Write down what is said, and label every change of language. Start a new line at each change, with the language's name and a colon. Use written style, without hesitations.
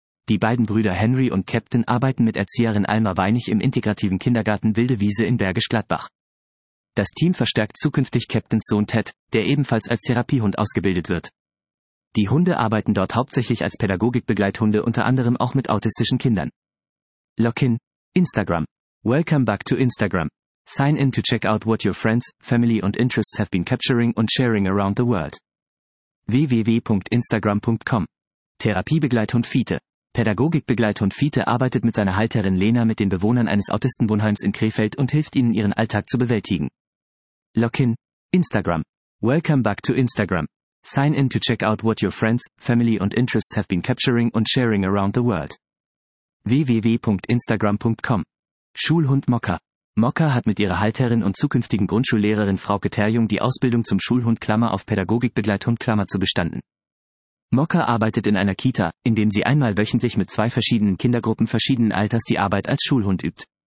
German: Die beiden Brüder Henry und Captain arbeiten mit Erzieherin Alma Weinig im integrativen Kindergarten Wilde Wiese in Bergisch Gladbach. Das Team verstärkt zukünftig Captains Sohn Ted, der ebenfalls als Therapiehund ausgebildet wird. Die Hunde arbeiten dort hauptsächlich als Pädagogikbegleithunde, unter anderem auch mit autistischen Kindern.
English: Login. Instagram. Welcome back to Instagram. Sign in to check out what your friends, family and interests have been capturing and sharing around the world. www.instagram.com.
German: Therapiebegleithund Fiete. Pädagogikbegleithund Fiete arbeitet mit seiner Halterin Lena mit den Bewohnern eines Autistenwohnheims in Krefeld und hilft ihnen, ihren Alltag zu bewältigen.
English: Login. Instagram. Welcome back to Instagram. Sign in to check out what your friends, family and interests have been capturing and sharing around the world. www.instagram.com.
German: Schulhund Mokka. Mokka hat mit ihrer Halterin und zukünftigen Grundschullehrerin Frau Keterjung die Ausbildung zum Schulhund Klammer auf Pädagogikbegleithund Klammer zu bestanden. Mokka arbeitet in einer Kita, in dem sie einmal wöchentlich mit 2 verschiedenen Kindergruppen verschiedenen Alters die Arbeit als Schulhund übt.